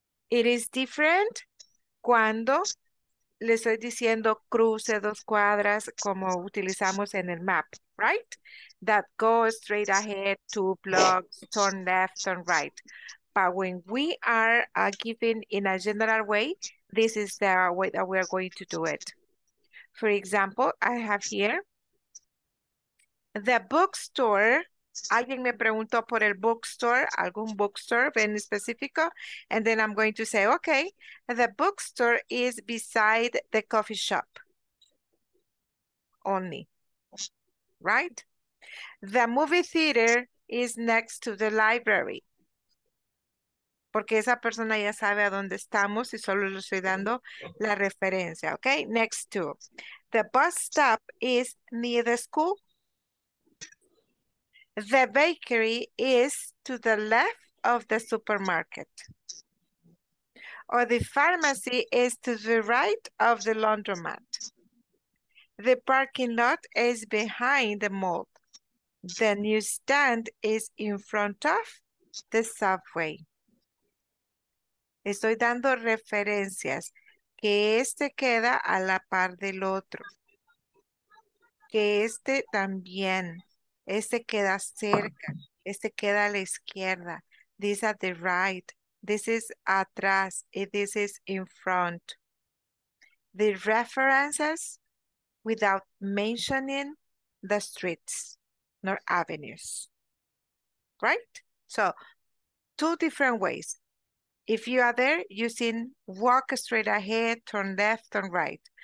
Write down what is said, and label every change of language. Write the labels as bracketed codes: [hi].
[en] It is different [es] cuando le estoy diciendo cruce dos cuadras como utilizamos en el map, [en] right? That go straight ahead, two blocks, turn left, turn right. But when we are giving in a general way, this is the way that we are going to do it. For example, I have here the bookstore. [es] Alguien me preguntó por el bookstore, algún bookstore en específico. [en] And then I'm going to say, okay, the bookstore is beside the coffee shop only, right? The movie theater is next to the library. [es] Porque esa persona ya sabe a dónde estamos y solo le estoy dando la referencia, okay? [en] Next to. The bus stop is near the school. The bakery is to the left of the supermarket. Or the pharmacy is to the right of the laundromat. The parking lot is behind the mall. The newsstand is in front of the subway. [es] Estoy dando referencias que este queda a la par del otro. Que este también. Este queda cerca, este queda a la izquierda. [en] This at the right, this is [es] atrás, [en] and this is in front. The references without mentioning the streets nor avenues, right? So, two different ways. If you are there, you can walk straight ahead, turn left, turn right.